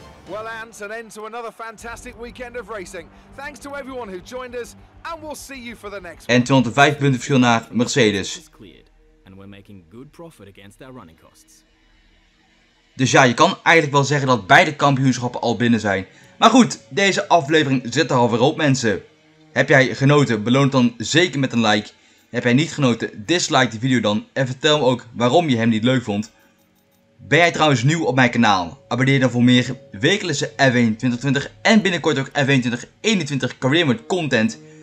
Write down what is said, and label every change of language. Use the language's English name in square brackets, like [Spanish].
[English] Well, Ant, an end to another fantastic weekend of racing. Thanks to everyone who joined us, and we'll see you for the next [Dutch] one. En 205 punten verschil naar Mercedes. [English] And we're making good profit against our running costs. [Dutch] Dus ja, je kan eigenlijk wel zeggen dat beide kampioenschappen al binnen zijn. Maar goed, deze aflevering zit er alweer op, mensen. Heb jij genoten? Beloon het dan zeker met een like. Heb jij niet genoten? Dislike de video dan en vertel me ook waarom je hem niet leuk vond. Ben jij trouwens nieuw op mijn kanaal? Abonneer dan voor meer wekelijkse F1 2020 en binnenkort ook F1 2021 Career Mode content.